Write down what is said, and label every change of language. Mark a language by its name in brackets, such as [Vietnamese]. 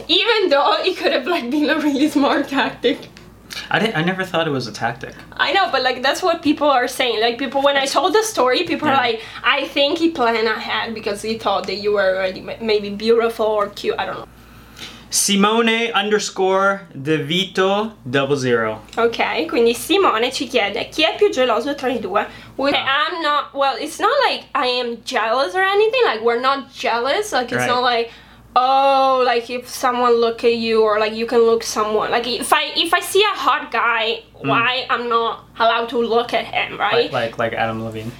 [English] Even though it could have like been a really smart tactic. I never thought it was a tactic. I know, but like that's what people are saying. Like people, when I told the story, people are like, I think he planned ahead because he thought that you were already maybe beautiful or cute. I don't know. Simone_DeVito00. [Italian] Okay, quindi Simone ci chiede chi è più geloso tra i due. [English] I'm not. Well, it's not like I am jealous or anything. Like we're not jealous. Like it's not like. Oh, like if someone look at you, or like you can look someone. Like if I see a hot guy, why I'm not allowed to look at him, right? Like Adam Levine.